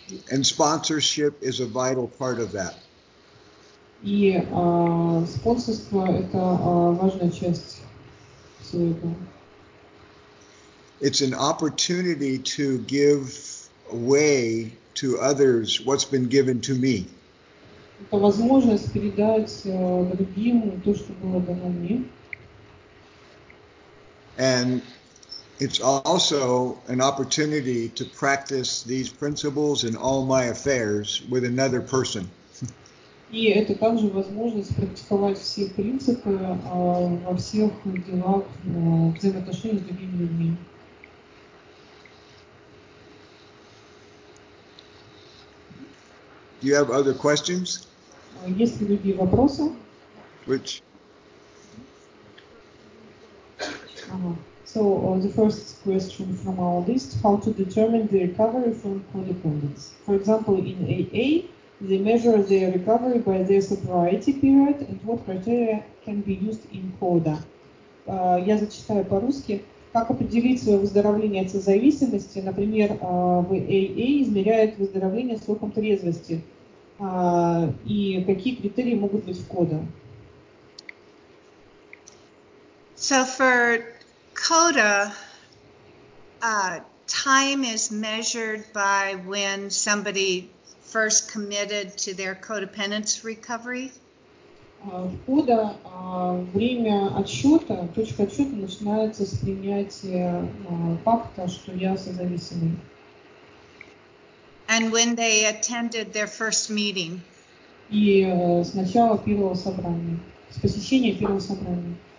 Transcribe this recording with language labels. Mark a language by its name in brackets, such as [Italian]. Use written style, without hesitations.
[English] And sponsorship is a vital part of that. [Russian] И спонсорство – это важная часть всего этого. [English] It's an opportunity to give away to others what's been given to me. [Russian] Это возможность передать другим то, что было дано мне. [English] And it's also an opportunity to practice these principles in all my affairs with another person. [Russian] И это также возможность практиковать все принципы во всех делах, взаимоотношениях с другими людьми. [English] Do you have other questions? [Russian] Есть ли другие вопросы? [English] Which? So, the first question from our list, how to determine the recovery from codependence? For example, in AA, they measure their recovery by their sobriety period and what criteria can be used in CODA. [Russian] Я зачитаю по-русски. Как определить свое выздоровление от созависимости? Например, в AA измеряют выздоровление сроком трезвости. И какие критерии могут быть в CODA? [English] So for CODA, time is measured by when somebody first committed to their codependence recovery. [Russian] В CODA время отсчета, точка отсчета начинается с принятия факта, что я созависимый. [English] And when they attended their first meeting. [Russian] И с начала первого собрания, с посещения первого собрания.